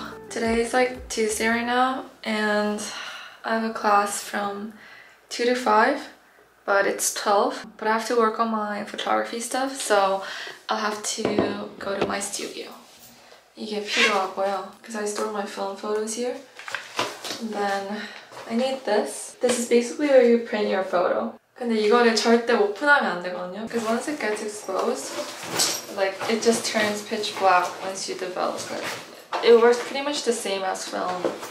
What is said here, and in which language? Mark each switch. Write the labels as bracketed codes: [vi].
[en] today's like Tuesday right now, and I have a class from 2 to 5, but it's 12. But I have to work on my photography stuff, so I'll have to go to my studio. You get pure rock oil, because I store my film photos here. And then I need this. This is basically where you print your photo. [ko] 근데 이거를 절대 오픈하면 안 되거든요. [en] Because once it gets exposed, like it just turns pitch black once you develop it. It works pretty much the same as film.